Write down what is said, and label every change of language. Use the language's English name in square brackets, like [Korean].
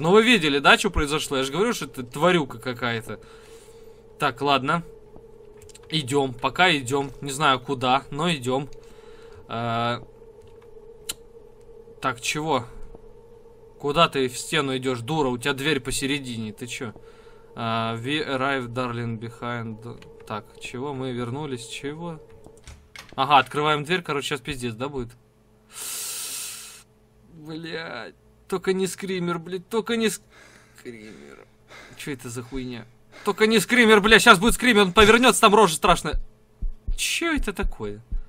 [Russian] Но вы видели, да, что произошло? Я же говорю, что это тварюка какая-то. Так, ладно. Идем, пока идем. Не знаю куда, но идем. Так, чего? Куда ты в стену идешь, дура? У тебя дверь посередине, ты че? [English] We arrived, darling, behind. [Russian] Так, чего? Мы вернулись, чего? Ага, открываем дверь, короче, сейчас пиздец, да, будет? Блять, только не скример, блять, только не скример. Че это за хуйня? Только не скример, бля, сейчас будет скример, он повернется, там рожа страшная. Че это такое?